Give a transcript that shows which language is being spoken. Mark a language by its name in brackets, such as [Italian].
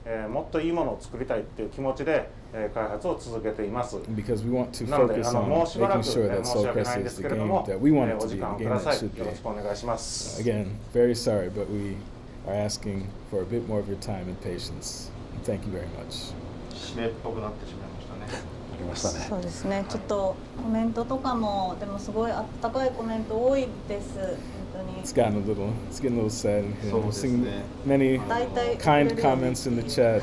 [Japanese] もっといいものを作りたいっていう気持ちで開発を続けています。なので、あのもうしばらく申し訳ないんですけれども、お時間をください。よろしくお願いします。 [English] Again, very sorry, but we are asking for a bit more of your time and patience. Thank you very much. [Japanese] 締めっぽくなってしまいましたね。ありましたね。そうですね。ちょっとコメントとかも、でもすごい温かいコメント多いです。 [English] It's gotten a little, it's getting a little sad. You know, seeing many kind comments in the chat.